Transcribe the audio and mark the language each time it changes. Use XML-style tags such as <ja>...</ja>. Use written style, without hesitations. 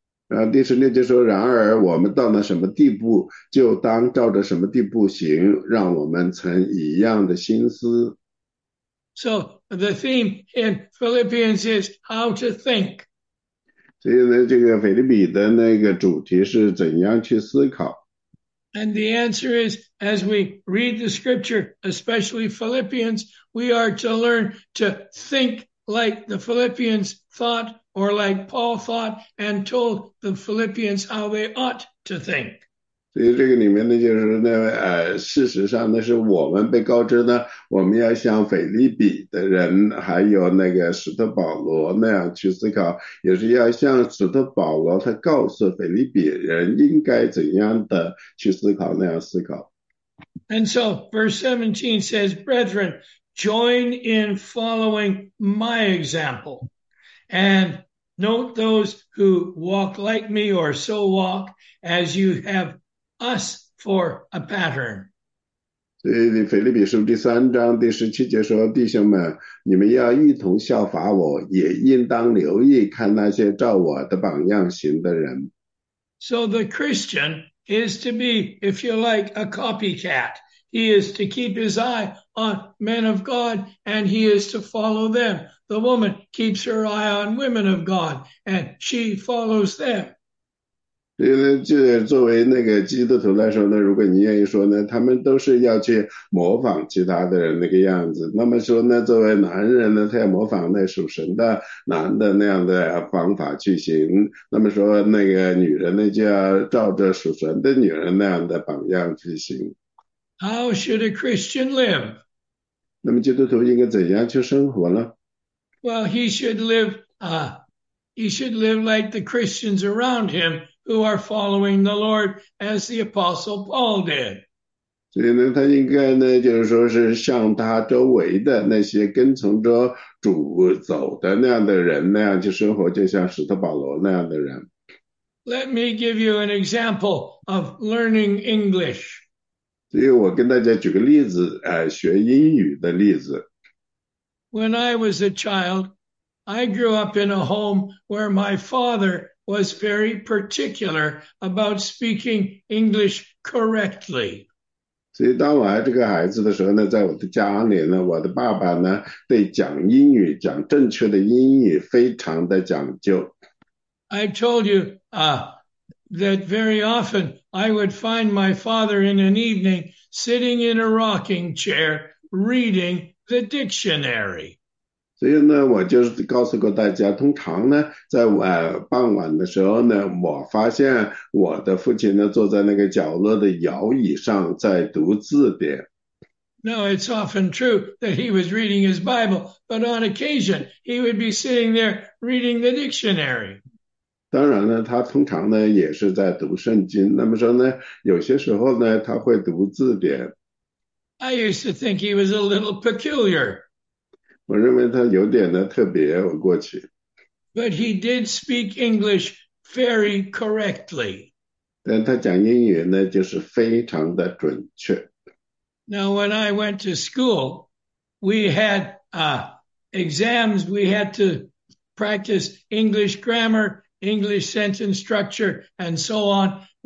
<zh>然后第十六节说，然而我们到了什么地步，就当照着什么地步行，让我们存一样的心思。</zh> <en>So the theme in Philippians is how to think.</en> <zh>所以呢，这个腓立比的那个主题是怎样去思考。</zh> <en>And the answer is, as we read the scripture, especially Philippians, we are to learn to think like the Philippians thought. Or like Paul thought and told the Philippians how they ought to think.</en> <zh>所以这个里面呢，就是那事实上呢，是我们被告知呢，我们要像腓立比的人，还有那个使徒保罗那样去思考，也是要像使徒保罗他告诉腓立比人应该怎样的去思考那样思考。</zh> <en>And so verse 17 says, brethren, join in following my example and note those who walk like me or so walk as you have us for a pattern.</en> <zh>所以，腓立比书第3章第17节说：“弟兄们，你们要一同效法我，也应当留意看那些照我的榜样行的人。</zh> <en>So the Christian is to be, if you like, a copycat. He is to keep his eye on men of God and he is to follow them. The woman keeps her eye on women of God and she follows them.</en> <zh>”因为就作为那个基督徒来说呢，如果你愿意说呢，他们都是要去模仿其他的人那个样子。那么说呢，作为男人呢，他要模仿那属神的男的那样的方法去行。那么说那个女人呢，就要照着属神的女人那样的榜样去行。</zh> <en>How should a Christian live?</en> <zh>那么基督徒应该怎样去生活呢？</zh> <en>Well, he should live like the Christians around him who are following the Lord as the Apostle Paul did.</en> <zh>所以呢，他应该呢，就是说是像他周围的那些跟从着主走的那样的人那样去生活，就像使徒保罗那样的人。</zh> <en>Let me give you an example of learning English.</en> <zh>所以我跟大家举个例子，学英语的例子。</zh> <en>When I was a child, I grew up in a home where my father was very particular about speaking English correctly.</en> <zh>所以，当我还是个孩子的时候呢，在我的家里呢，我的爸爸呢，对讲英语、讲正确的英语非常的讲究。</zh> <en>I told you, that very often I would find my father in an evening sitting in a rocking chair reading. The dictionary.</en> <zh>所以呢，我就是告诉过大家，通常呢，在傍晚的时候呢，我发现我的父亲呢，坐在那个角落的摇椅上，在读字典。</zh> <en>No, it's often true that he was reading his Bible, but on occasion he would be sitting there reading the dictionary.</en> <zh>当然呢，他通常呢也是在读圣经。那么说呢，有些时候呢，他会读字典。</zh> <en>I used to think he was a little peculiar.</en> <zh>我认为他有点的特别，我过去。</zh> <en>But he did speak English very correctly.</en> <zh>但他讲英语呢，就是非常的准确。</zh> <en>Now, when I went to school, we had exams. We had to practice English grammar, English sentence structure, and so on.</en>